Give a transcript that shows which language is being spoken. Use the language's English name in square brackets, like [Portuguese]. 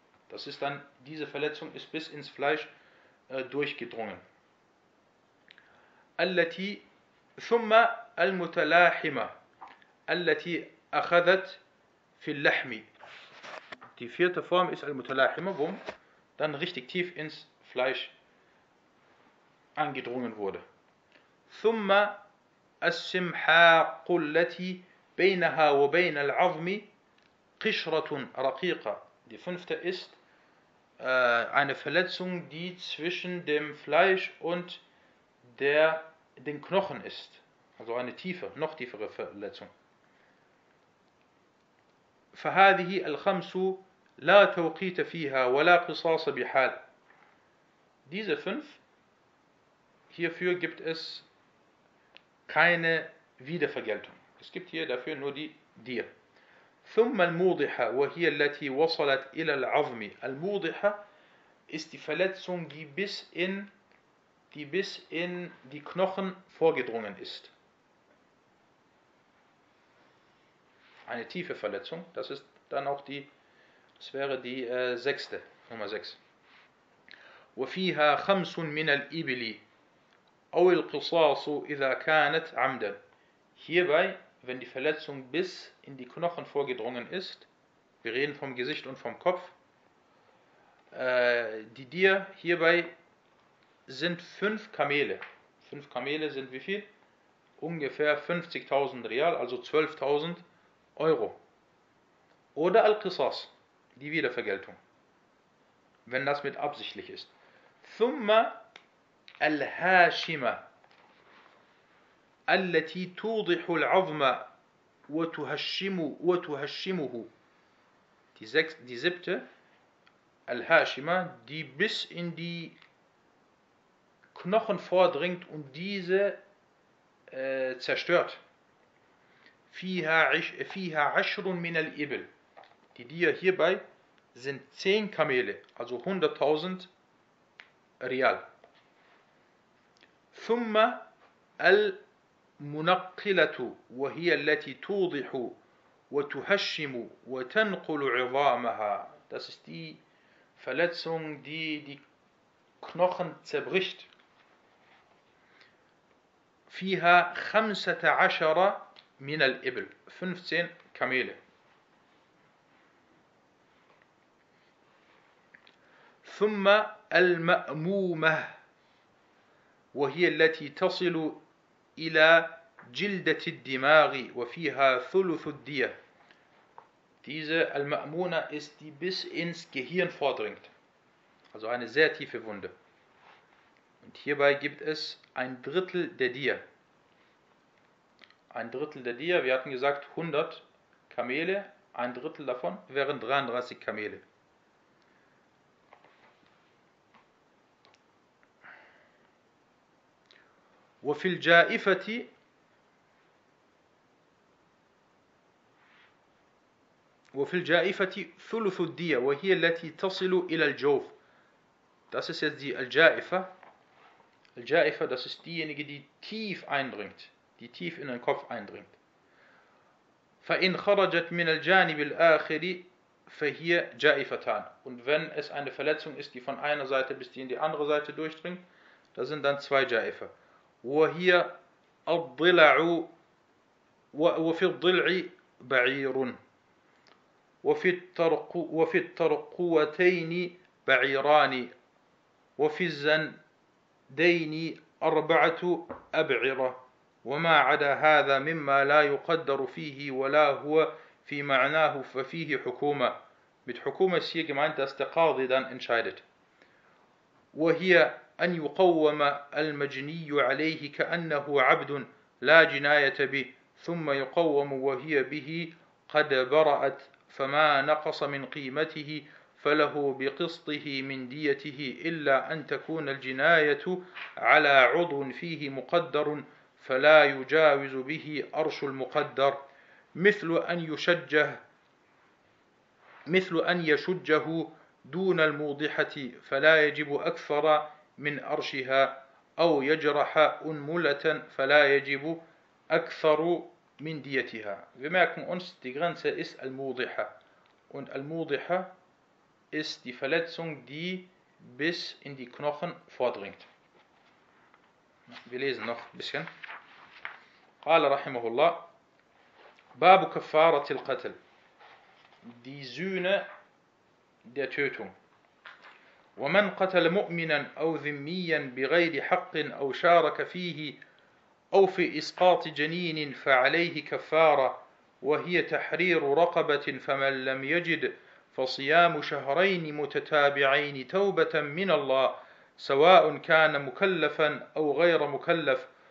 [German] Das ist dann, diese Verletzung ist bis ins Fleisch durchgedrungen. [Arabic] التي ثم المتلاحمة التي أخذت في اللحم. [German] Die vierte Form ist المتلاحمة, wo dann richtig tief ins Fleisch angedrungen wurde. [Arabic] ثم السمحاق التي بينها وبين العظم قشرة رقيقة. [German] Die fünfte ist eine Verletzung, die zwischen dem Fleisch und den Knochen ist. Also eine tiefe, noch tiefere Verletzung. [Arabic] فهذه الخمس لا توقيت فيها ولا قصاص بحال. [German] Diese fünf, hierfür gibt es keine Wiedervergeltung. Es gibt hier dafür nur die Dir. [Arabic] ثم الموضحة وهي التي وصلت إلى العظم. [German] الموضحة ist die Verletzung, die bis in die Knochen vorgedrungen ist. Eine tiefe Verletzung. Das ist dann auch die, das wäre die sechste, Nummer 6. [Arabic] وفيها خمس من الإبل أو القصاص إذا كانت عمدا. [German] Hierbei, wenn die Verletzung bis in die Knochen vorgedrungen ist, wir reden vom Gesicht und vom Kopf, die Dir hierbei sind fünf Kamele. Fünf Kamele sind wie viel? ungefähr 50.000 Rial, also 12.000 Euro. Oder Al-Qisas, die Wiedervergeltung, wenn das mit absichtlich ist. [Arabic] Thumma Al-Hashima, التي توضح العظم وتهشمه. [German] Die siebte, Al-Hashima, die bis in die Knochen vordringt und diese zerstört. [Arabic] فيها عشر من الإبل. [German] Die Dia hierbei sind 10 Kamele, also 100.000 Rial. [Arabic] ثم المنقلة وهي التي توضح وتهشم وتنقل عظامها. [German] Das ist die Verletzung, die Knochen zerbricht. [Arabic] فيها 15 من الإبل. [German] 15 Kamele. [Arabic] ثم المأمومة وهي التي تصل إلى جلدة الدماغ وفيها ثلث الدية. [German] Diese المأمومة ist die bis ins Gehirn vordringt. Also eine sehr tiefe Wunde. Und hierbei gibt es ein Drittel der Dية. Ein Drittel der Dية, wir hatten gesagt 100 Kamele, ein Drittel davon wären 33 Kamele. [Arabic] وفي الجائفة ثلث الدية وهي التي تصل إلى الجوف. [German] Das ist jetzt die Al-Ja'ifa. Al-Ja'ifa, das ist diejenige, die tief eindringt, die tief in den Kopf eindringt. [Arabic] فإن خرجت من الجانب الآخر فهي جائفتان. [German] Und wenn es eine Verletzung ist, die von einer Seite bis in die andere Seite durchdringt, da sind dann zwei Ja'ifa. [Arabic] وهي الضلع وفي الضلع بعير وفي الترقوتين بعيران وفي الزندين أربعة أبعرة وما عدا هذا مما لا يقدر فيه ولا هو في معناه ففيه حكومة. [German] Mit [Arabic] حكومة هي [German] gemeint, dass der Qadhi dann entscheidet. [Arabic] وهي أن يقوم المجني عليه كأنه عبد لا جناية به ثم يقوم وهي به قد برأت فما نقص من قيمته فله بقسطه من ديته إلا أن تكون الجناية على عضو فيه مقدر فلا يجاوز به أرش المقدر مثل أن يشجه دون الموضحة فلا يجب أكثر من أرشها أو يجرح أنملة فلا يجب أكثر من ديتها. [German] Wir merken uns, die Grenze ist Al-Mudiha. Und Al-Mudiha ist die Verletzung, die bis in die Knochen vordringt. Wir lesen noch ein bisschen. [Arabic] قال رحمه الله باب كفارة القتل. [German] Die Sühne der Tötung. [Arabic] ومن قتل مؤمنا أو ذميا بغير حق أو شارك فيه أو في إسقاط جنين فعليه كفارة وهي تحرير رقبة فمن لم يجد فصيام شهرين متتابعين توبة من الله سواء كان مكلفا أو غير مكلف